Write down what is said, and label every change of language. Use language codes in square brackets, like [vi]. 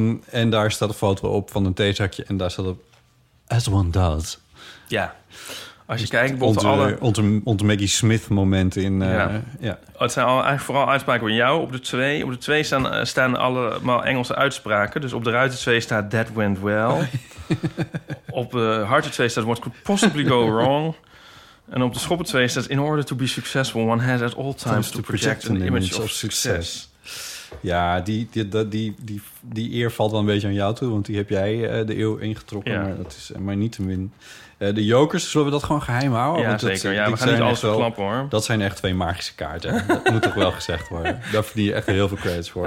[nl] En daar staat een foto op van een theezakje. En daar staat op... [en] As one does. [nl] Ja. Als je kijkt... Onze Maggie Smith moment in... Ja. Het zijn eigenlijk vooral uitspraken van jou. Op de twee staan allemaal Engelse uitspraken. Dus op de ruiten 2 staat... [en] That went well. [nl] Op de harten 2 staat... [en] What could possibly go wrong? [nl] En op de schoppen 2 staat... [en] In order to be successful... One has at all times to project an image of success. [nl] Ja, die eer valt wel een beetje aan jou toe, want die heb jij de eeuw ingetrokken. Ja. Maar dat is maar niet te min. De jokers, zullen we dat gewoon geheim houden? Ja, want dat, zeker. Ja, we gaan niet alles verklappen, hoor. Dat zijn echt twee magische kaarten. Dat moet toch wel gezegd worden. Daar verdien je echt heel veel credits voor.